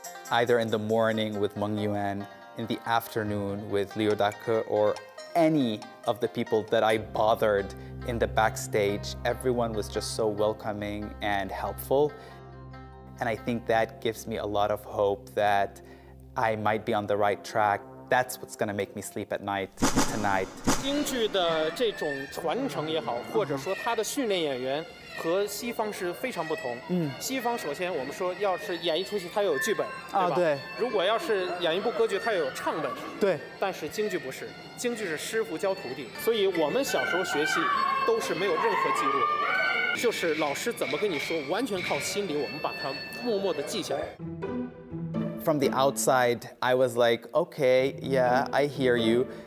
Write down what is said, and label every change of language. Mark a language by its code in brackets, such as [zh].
[en] Either in the morning with Meng Yuan, in the afternoon with Liu Dake, or any of the people that I bothered in the backstage, everyone was just so welcoming and helpful. And I think that gives me a lot of hope that I might be on the right track That's what's gonna make me sleep at night tonight. [zh] 京剧的这种传承也好，或者说他的训练演员和西方是非常不同。嗯，西方首先我们说，要是演一出戏，它有剧本，啊对。如果要是演一部歌剧，它有唱本。对。但是京剧不是，京剧是师傅教徒弟，所以我们小时候学戏都是没有任何记录的，就是老师怎么跟你说，完全靠心里，我们把它默默地记下来。 [en] From the outside, I was like, okay, yeah, I hear you.